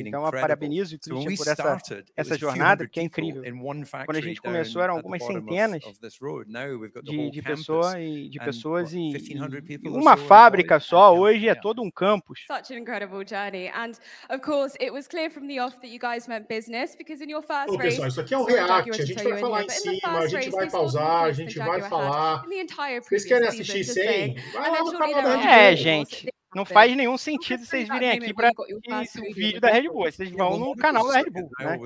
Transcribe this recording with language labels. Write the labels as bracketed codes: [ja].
[pt] Então, eu parabenizo o Christian por essa jornada, que é incrível. Quando a gente começou, eram algumas centenas de pessoas e uma fábrica só, hoje é todo um campus. [en] Such an incredible journey. And, of course, it was clear from the off that you guys meant business. Because in your first race, [pt] pessoal, isso aqui é um react, a gente vai falar em cima, a gente vai pausar, a gente vai falar. Vocês querem assistir sem? Vai lá no canal da Red Bull. Gente. Não faz nenhum sentido vocês virem aqui para o vídeo da Red Bull. Vocês vão no canal da Red Bull, né?